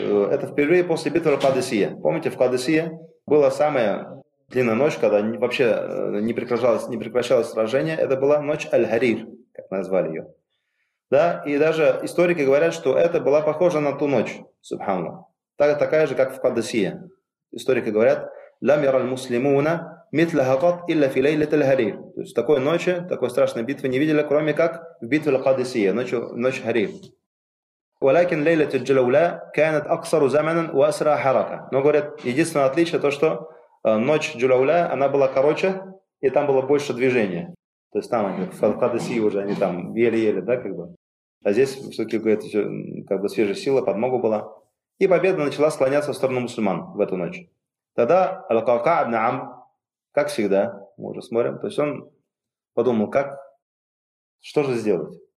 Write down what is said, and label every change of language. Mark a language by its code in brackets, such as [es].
[ru] Это впервые после битвы Кадисия. Помните, в Кадисии была самая длинная ночь, когда вообще не прекращалось сражение. Это была ночь Аль-Харир, как назвали ее. Да? И даже историки говорят, что это была похожа на ту ночь, субханаллах. Такая же, как в Кадисии. Историки говорят, [ar] لم ير المسلمون مثلها قط إلا في ليلة الهليل. [ru] То есть такой ночи, такой страшной битвы не видели, кроме как в битве Ал-Кадисия, ночь Харир. [ar] ولكن ليلة الجلولاء كانت أقصر زمنا وأسرع حركة. [ru] Но говорят, единственное отличие то, что ночь Джулауля, она была короче, и там было больше движения. То есть там они в Ал-Кадисии уже они там еле-еле, да, как бы. А здесь все-таки говорят, все, как бы свежая сила, подмога была. И победа начала склоняться в сторону мусульман в эту ночь. Тогда Ал-Кака ибн Амр, как всегда, мы уже смотрим, то есть он подумал, как, что же сделать.